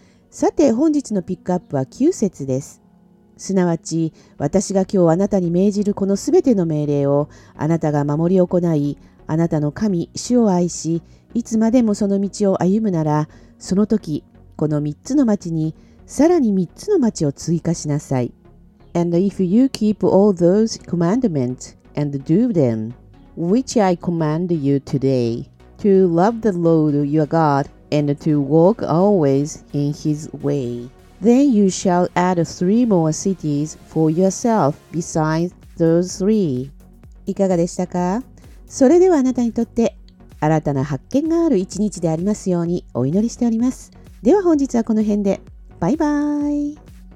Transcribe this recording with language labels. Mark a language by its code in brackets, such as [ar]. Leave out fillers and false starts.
[ja] さて、本日のピックアップは9節です。すなわち、私が今日あなたに命じるこのすべての命令を、あなたが守り行い、あなたの神、主を愛し、いつまでもその道を歩むなら、その時、この3つの町に、さらに3つの町を追加しなさい。 [en] And if you keep all those commandments and do them, which I command you today, to love the Lord your God,And to walk always in his way. Then you shall add 3 more cities for yourself besides those 3. [ja] いかがでしたか？それではあなたにとって新たな発見がある一日でありますようにお祈りしております。では本日はこの辺で。バイバイ。